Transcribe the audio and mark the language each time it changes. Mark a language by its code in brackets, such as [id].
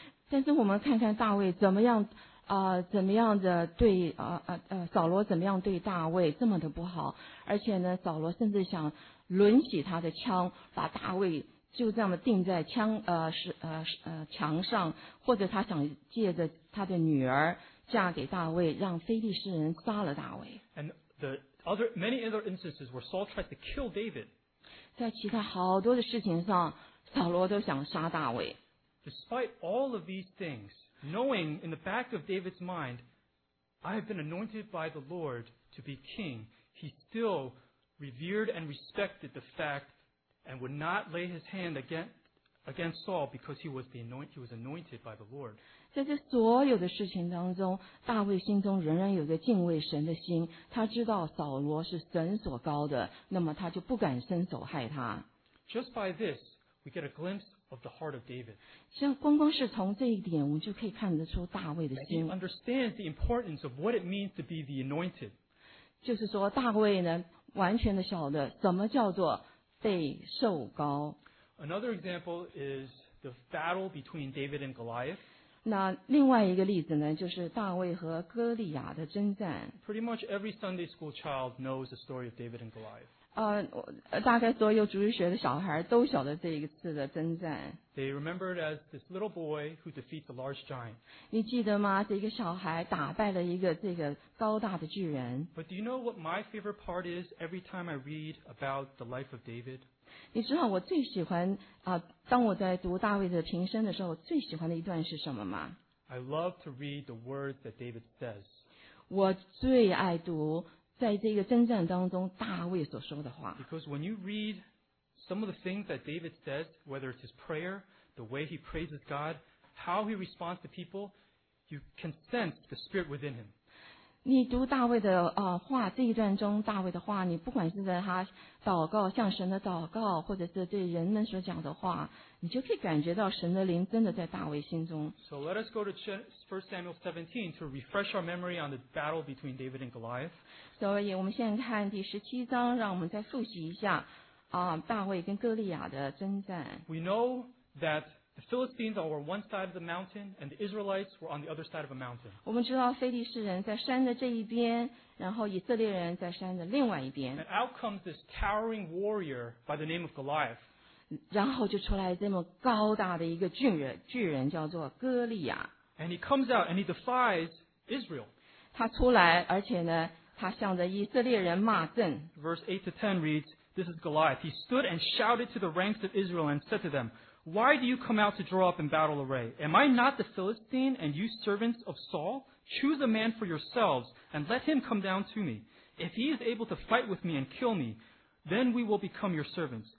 [zh] 但是我们看看大卫怎么样，怎么样的对扫罗怎么样对大卫这么的不好，而且呢，扫罗甚至想抡起他的枪，把大卫就这样钉在墙上，或者他想借着他的女儿嫁给大卫，让非利士人杀了大卫。 [en] And the other many other instances where Saul tried to kill David. [zh] 在其他好多的事情上，扫罗都想杀大卫。 [en] Despite all of these things, knowing in the back of David's mind, I have been anointed by the Lord to be king, he still revered and respected the fact and would not lay his hand against Saul because he was anointed by the Lord. [zh] 在这所有的事情当中，大卫心中仍然有个敬畏神的心，他知道扫罗是神所膏的，那么他就不敢伸手害他。 [en] Just by this, we get a glimpse of the heart of David. [zh] 像光光是从这一点，我们就可以看得出大卫的心。 [en] He understands the importance of what it means to be the anointed. [zh] 就是说大卫呢，完全的晓得什么叫做被受膏。 [en] Another example is the battle between David and Goliath. [zh] 那另外一个例子呢，就是大卫和哥利亚的征战。 [en] Pretty much every Sunday school child knows the story of David and Goliath. [zh] 大概所有主日学的小孩都晓得这一次的征战。 [en] They remember it as this little boy who defeats a large giant. [zh] 你记得吗？这个小孩打败了一个这个高大的巨人。 [en] But do you know what my favorite part is every time I read about the life of David? [zh] 你知道我最喜欢当我在读大卫的平生的时候，最喜欢的一段是什么吗？ [en] I love to read the words that David says. [zh] 我最爱读在这个征战当中大卫所说的话。 [en] Because when you read some of the things that David says, whether it's his prayer, the way he praises God, how he responds to people, you can sense the spirit within him. [zh] 你读大卫的话，这一段中大卫的话，你不管是在他祷告向神的祷告，或者是对人们所讲的话，你就可以感觉到神的灵真的在大卫心中。 [en] So let us go to 1 Samuel 17 to refresh our memory on the battle between David and Goliath. [zh] 所以我们现在看第十七章，让我们再复习一下大卫跟哥利亚的征战。 [en] We know that. The Philistines were on one side of the mountain, and the Israelites were on the other side of a mountain. [zh] 我们知道非利士人在山的这一边，然后以色列人在山的另外一边。 [en] And out comes this towering warrior by the name of Goliath. [zh] 然后就出来这么高大的一个巨人叫做哥利亚。 [en] And he comes out and he defies Israel. [zh] 他出来，而且呢，他向着以色列人骂阵。 [en] Verse 8 to 10 reads, "This is Goliath. He stood and shouted to the ranks of Israel and said to them,Why do you come out to draw up in battle array? Am I not the Philistine and you servants of Saul? Choose a man for yourselves and let him come down to me. If he is able to fight with me and kill me, then we will become your servants.